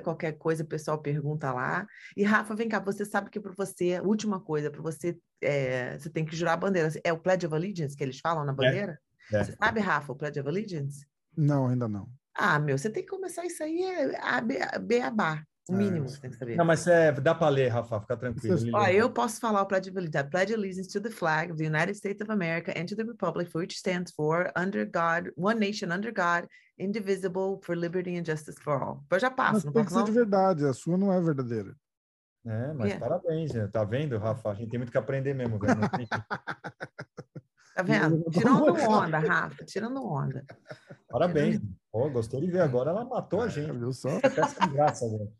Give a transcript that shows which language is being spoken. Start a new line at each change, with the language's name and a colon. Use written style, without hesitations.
Portuguese: Qualquer coisa, o pessoal pergunta lá. E, Rafa, vem cá. Você sabe que para você, última coisa, para você, você tem que jurar a bandeira. É o Pledge of Allegiance que eles falam na bandeira? Você sabe, Rafa, o Pledge of Allegiance? Não, ainda não. Ah, meu, você tem que começar isso aí beabá. O mínimo você tem que saber. Não, mas dá para ler, Rafa, fica tranquilo. Ó, eu posso falar o Pledge of Allegiance.
English: Pledge Allegiance to the flag of the United States of America and to the Republic for which stands for under God, one nation under God, indivisible, for liberty and justice for all.
Portuguese: Eu já passo. Mas não tem que ser de verdade, a sua não é verdadeira. É, mas parabéns, né? Tá vendo, Rafa? A gente tem muito que aprender mesmo. Velho. Tá vendo? Tirando onda, Rafa, tirando onda. Parabéns. Oh, gostei de ver agora, ela matou a gente. Viu só? Que graça, velho.